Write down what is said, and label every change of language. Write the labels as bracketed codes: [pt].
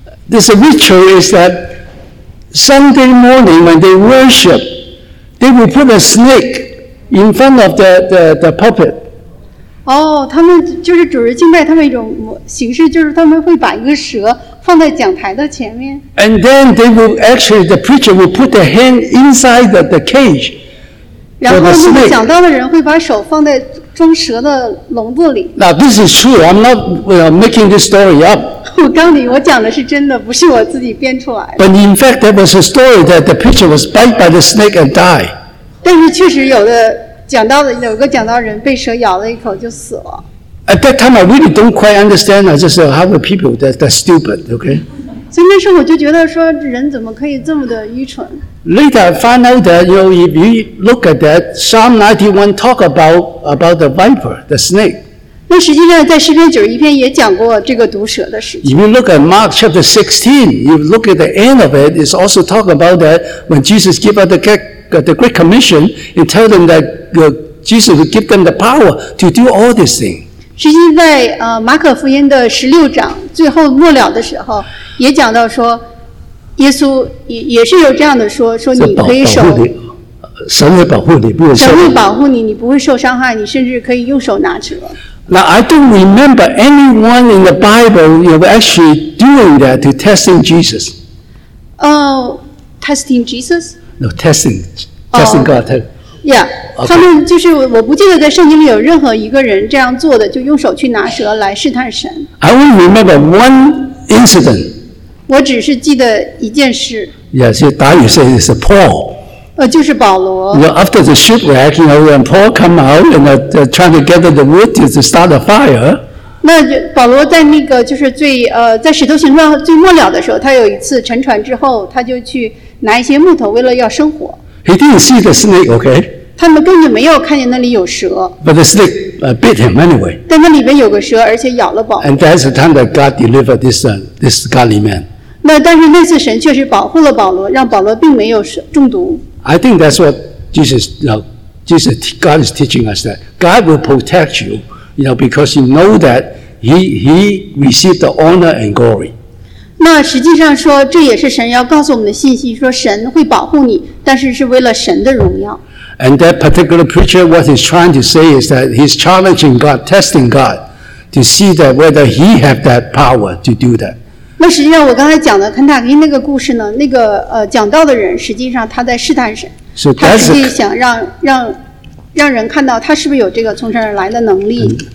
[en] This ritual is that Sunday morning when they worship, they will put a snake in front of the pulpit. [zh] 哦，他们就是主日敬拜，他们一种形式就是他们会把一个蛇放在讲台的前面。 [en] And then they will actually the preacher will put the hand inside the cage. [zh] 然后那个讲道的人会把手放在。装蛇的笼子里。 [en] Now this is true. I'm not making this story up. [zh] 我告诉你，我讲的是真的，不是我自己编出来的。 [en] But in fact, there was a story that the preacher was bite by the snake and die. [zh] 但是确实有的讲到的有个讲道人被蛇咬了一口就死了。 [en] At that time, I really don't quite understand. I just said, how are people that stupid? Okay. [zh] 所以那时候我就觉得说，人怎么可以这么的愚蠢 [en] ？Later, I find out that you know, if you look at that Psalm 91 talk about the viper, the snake. [zh] 那实际上在诗篇91篇也讲过这个毒蛇的事情。 [en] If you look at Mark chapter 16, you look at the end of it, it's also talk about that when Jesus gave out the Great Commission and tell them that Jesus will give them the power to do all these things. [zh] 实际在马可福音的十六章最后末了的时候，也讲到说，耶稣也是有这样的说你可以守，神会保护你，不会受伤。神会保护你，你不会受伤害，你甚至可以用手拿蛇。 [en] Now I don't remember anyone in the Bible you know, actually doing that to testing Jesus. Oh, testing Jesus? No, testing God.、 Oh. Yeah, okay. [zh] 他们就是我不记得在圣经里有任何一个人这样做的，就用手去拿蛇来试探神。 [en] I only remember one incident. [zh] 我只是记得一件事。 [en] Yes, you say it's Paul. [zh] 就是保罗。 [en] You know, after the shipwreck, you know, when Paul come out and trying to gather the wood to start a fire. [zh] 那保罗在那个就是最在使徒行传最末了的时候，他有一次沉船之后，他就去拿一些木头，为了要生火。 [en] He didn't see the snake, okay? [zh] 他们根本没有看见那里有蛇。 [en] But the snake bit him anyway. [zh] 但那里面有个蛇，而且咬了保罗。 [en] And that's the time that God delivered this godly man. [zh] 那但是那次神确实保护了保罗，让保罗并没有中毒。 [en] I think that's what Jesus God is teaching us that God will protect you, you know, because you know that He received the honor and glory. [zh] 那实际上说，这也是神要告诉我们的信息，说神会保护你，但是是为了神的荣耀。 [en] And that particular preacher, what he's trying to say is that he's challenging God, testing God, to see that whether he have that power to do that. [zh] 那实际上我刚才讲的肯塔基那个故事呢，那个讲道的人，实际上他在试探神。 [en] So that's [zh] 他实际想让人看到他是不是有这个从神而来的能力。